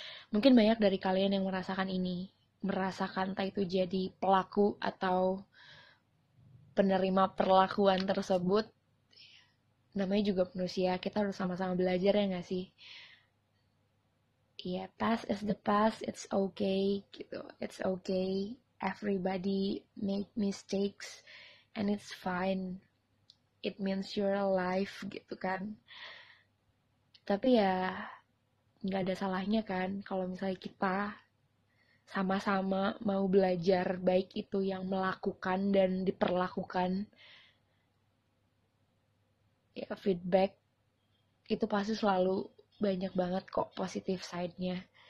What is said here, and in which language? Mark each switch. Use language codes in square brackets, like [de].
[id] Mungkin banyak dari kalian yang merasakan ini. Merasakan entah itu jadi pelaku atau penerima perlakuan tersebut. Namanya juga manusia, kita harus sama-sama belajar ya gak sih? [en] Yeah, past is the past, it's okay [id] gitu. [en] It's okay, everybody make mistakes and it's fine. It means you're alive [id] gitu kan. Tapi ya gak ada salahnya kan kalau misalnya kita sama-sama mau belajar, baik itu yang melakukan dan diperlakukan. Ya, feedback itu pasti selalu banyak banget kok positif side-nya.